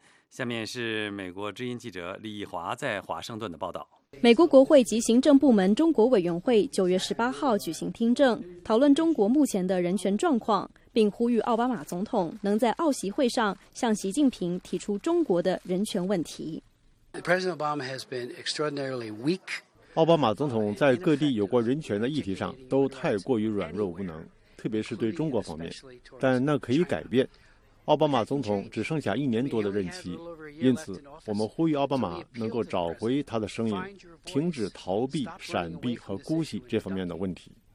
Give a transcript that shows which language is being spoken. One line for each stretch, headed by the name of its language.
Chinese: 下面是美国之音记者李华在华盛顿的报道。美国国会及行政部门中国委员会9月18号举行听证，讨论中国目前的人权状况，并呼吁奥巴马总统能在奥习会上向习近平提出中国的人权问题。
English: President Obama has been extraordinarily weak.
Chinese: 奥巴马总统在各地有关人权的议题上都太过于软弱无能，特别是对中国方面，但那可以改变。奥巴马总统只剩下1年多的任期，因此我们呼吁奥巴马能够找回他的声音，停止逃避、闪避和姑息这方面的问题。